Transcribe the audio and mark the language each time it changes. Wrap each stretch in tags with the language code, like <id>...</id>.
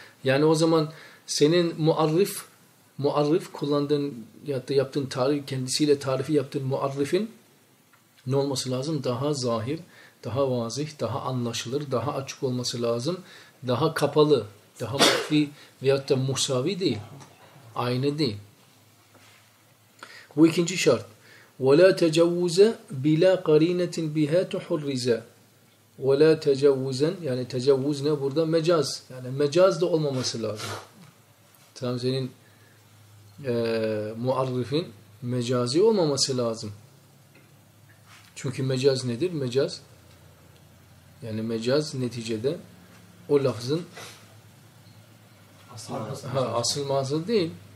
<tr>Yani o zaman senin muarrif kullandığın ya da yaptığın tarif, kendisiyle tarifi yaptığın muarrifin ne olması lazım? Daha zahir, daha vazih, daha anlaşılır, daha açık olması lazım. Daha kapalı, daha mahfi veyahut da musavi değil. Aynı değil. Bu ikinci şart.</tr> <ar>وَلَا تَجَوُّزَ بِلَا قَرِينَةٍ بِهَا تُحُرِّزَ وَلَا تَجَوُّزًا</ar> <tr>yani tecavvuz ne burada? Mecaz. Yani mecaz da olmaması lazım. Tamam, senin muarrifin mecazi olmaması lazım. Çünkü mecaz nedir? Mecaz, yani mecaz neticede o lafzın asıl manası değil.</tr>